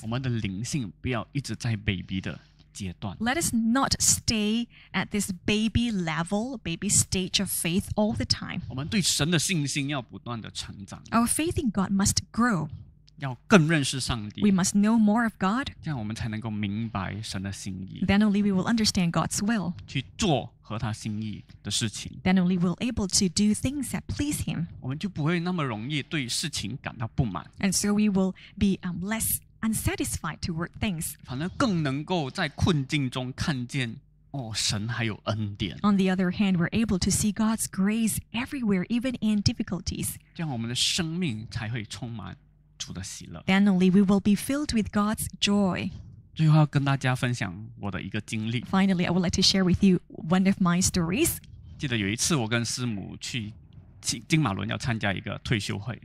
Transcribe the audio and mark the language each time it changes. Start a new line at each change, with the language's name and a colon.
Chinese: 我们的灵性不要一直在 baby 的阶段。
English: Let us not stay at this baby level, baby stage of faith all the time.
Chinese: 我们对神的信心要不断地成长。
English: Our faith in God must grow.
Chinese: 要更认识上帝。
English: We must know more of God.
Chinese: 这样我们才能够明白神的心意。
English: Then only we will understand God's will.
Chinese: 去做合他心意的事情。
English: Then only we'll able to do things that please Him.
Chinese: 我们就不会那么容易对事情感到不满。
English: And so we will be less unsatisfied toward things.
Chinese: 反而更能够在困境中看见哦，神还有恩典。
English: On the other hand, we're able to see God's grace everywhere, even in difficulties.
Chinese: 这样我们的生命才会充满。
English: Then only we will be filled with God's joy.
Chinese: 最后要跟大家分享我的一个经历。
English: Finally, I would like to share with you one of my stories.
Chinese: 记得有一次我跟师母去金马伦要参加一个退休会。